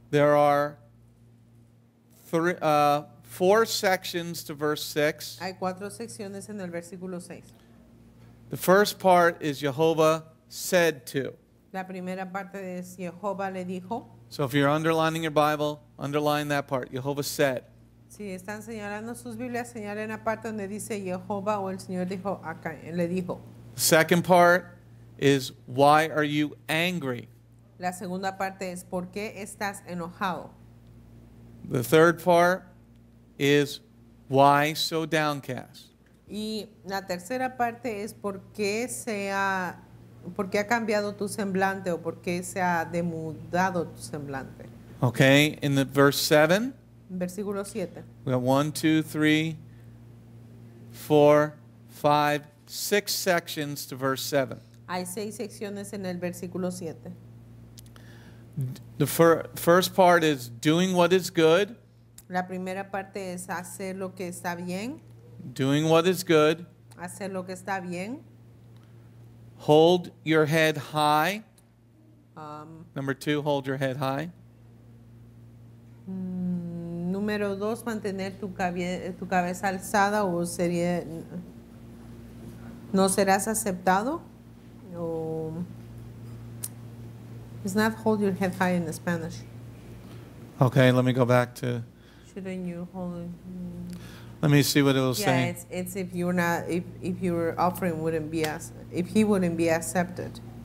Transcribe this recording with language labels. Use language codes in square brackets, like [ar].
[en] There are four sections to verse 6. [es] Hay cuatro secciones en el versículo 6. [en] The first part is Yehovah said to. [es] La primera parte es Yehovah le dijo. [en] So if you're underlining your Bible, underline that part. Yehovah said. [es] Si están señalando sus Biblias, señalen la parte donde dice Jehová o el Señor dijo acá, le dijo. [en] Second part is why are you angry? [es] La segunda parte es ¿por qué estás enojado? [en] The third part is why so downcast? [es] Y la tercera parte es ¿por qué se ha, por qué ha cambiado tu semblante o por qué se ha demudado tu semblante? [en] Okay, in the verse 7. [es] Versículo 7. [en] We have 1, 2, 3, 4, 5, 6 sections to verse 7. [es] Hay 6 secciones en el versículo 7. [en] The first part is doing what is good. [es] La primera parte es hacer lo que está bien. [en] Doing what is good. [es] Hacer lo que está bien. [en] Hold your head high. Number 2, hold your head high. [es] Número dos, mantener tu, tu cabeza alzada o sería, no serás aceptado. [en] O, it's not hold your head high in Spanish. Okay, let me go back to. Shouldn't you hold? Let me see what it was saying. Yeah, it's if you're not, if your offering wouldn't be, if he wouldn't be accepted.